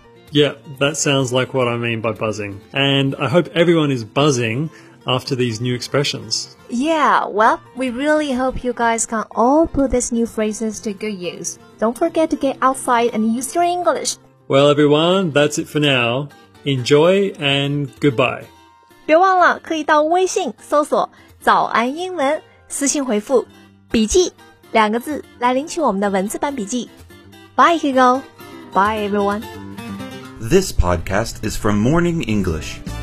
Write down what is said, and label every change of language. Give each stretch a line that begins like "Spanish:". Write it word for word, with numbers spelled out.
English: Yeah, that sounds like what I mean by buzzing. And I hope everyone is buzzing after these new expressions. Yeah, well, we really hope you guys can all put these new phrases to good use. Don't forget to get outside and use your English. Well, everyone, that's it for now. Enjoy and goodbye.
Chinese: 别忘了可以到微信搜索早安英文，私信回复笔记两个字来领取我们的文字版笔记。
English: Bye, Hugo. Bye, everyone. This podcast is from Morning English.